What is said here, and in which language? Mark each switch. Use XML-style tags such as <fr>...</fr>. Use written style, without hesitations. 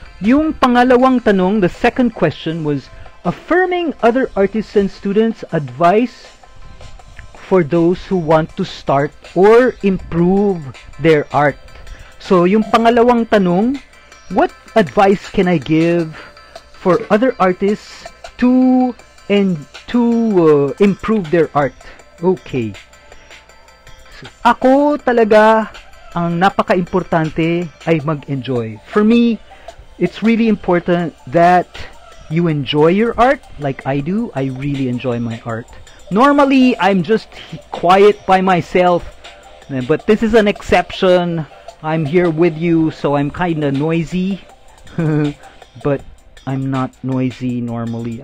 <tl>Yung pangalawang tanong,</tl> <en>the second question was, affirming other artists and students' advice for those who want to start or improve their art.</en> <tl>So yung pangalawang tanong,</tl> <en>what advice can I give for other artists to improve their art? Okay.</en> <tl>So, ako talaga, ang napaka-importante ay mag-enjoy.</tl> <en>For me, it's really important that you enjoy your art like I do. I really enjoy my art. Normally, I'm just quiet by myself, but this is an exception. I'm here with you, so I'm kind of noisy. But I'm not noisy normally.</en>